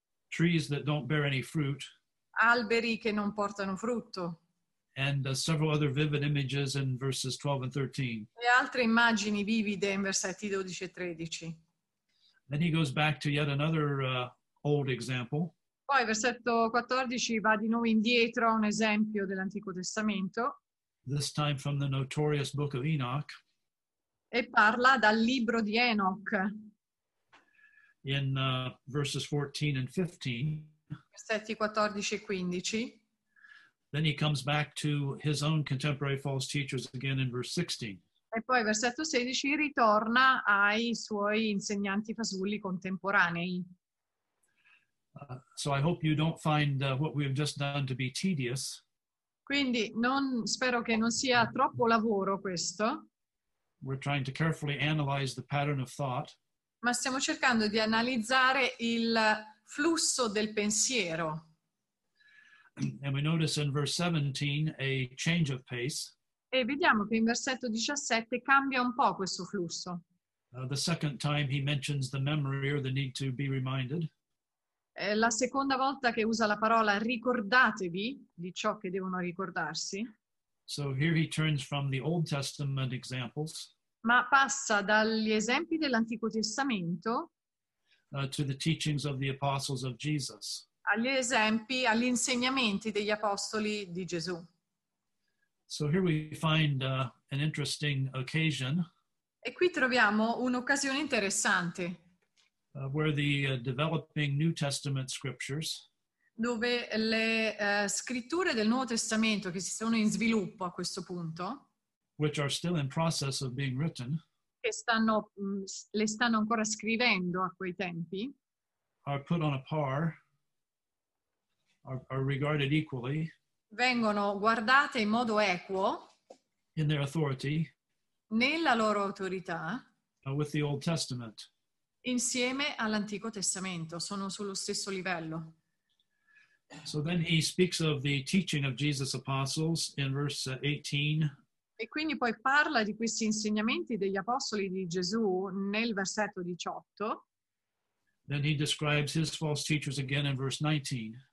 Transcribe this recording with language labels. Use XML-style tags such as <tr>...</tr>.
<en>Trees that don't bear any fruit.</en> <it>Alberi che non portano frutto.</it> <en>And several other vivid images in verses 12 and 13.</en> <it>E altre immagini vivide in versetti 12 e 13.</it> <en>Then he goes back to yet another old example.</en> <it>Poi versetto 14 va di nuovo indietro a un esempio dell'Antico Testamento.</it> <en>This time from the notorious book of Enoch.</en> <it>E parla dal libro di Enoch.</it> <en>In verses 14 and 15.</en> <it>Versetti 14 e 15.</it> <en>Then he comes back to his own contemporary false teachers again in verse 16.</en> <it>E poi versetto 16 ritorna ai suoi insegnanti fasulli contemporanei.</it> <en>So I hope you don't find what we have just done to be tedious.</en> <it>Quindi non spero che non sia troppo lavoro questo.</it> <en>We're trying to carefully analyze the pattern of thought.</en> <it>Ma stiamo cercando di analizzare il flusso del pensiero.</it> <en>And we notice in verse 17 a change of pace.</en> <it>E vediamo che in versetto 17 cambia un po' questo flusso.</it> <en>The second time he mentions the memory or the need to be reminded.</en> <it>La seconda volta che usa la parola ricordatevi di ciò che devono ricordarsi.</it> <en>So here he turns from the Old Testament examples.</en> <it>Ma passa dagli esempi dell'Antico Testamento.</it> <en>To the teachings of the apostles of Jesus.</en> <it>Agli esempi, agli insegnamenti degli apostoli di Gesù.</it> <en>So here we find an interesting occasion.</en> <it>E qui troviamo un'occasione interessante.</it> <en>Where the developing New Testament scriptures.</en> <it>Dove le scritture del Nuovo Testamento che si sono in sviluppo a questo punto.</it> <en>Which are still in process of being written.</en> <it>Che stanno, le stanno ancora scrivendo a quei tempi.</it> <en>Are put on a par. Are regarded equally.</en> <it>Vengono guardate in modo equo.</it> <en>In their authority.</en> <it>Nella loro autorità.</it> <en>With the Old Testament.</en> <it>Insieme all'Antico Testamento, sono sullo stesso livello.</it> <en>So then he speaks of the teaching of Jesus' apostles in verse 18.</en> <it>E quindi poi parla di questi insegnamenti degli apostoli di Gesù nel versetto 18.</it> <en>Then he describes his false teachers again in verse 19.</en>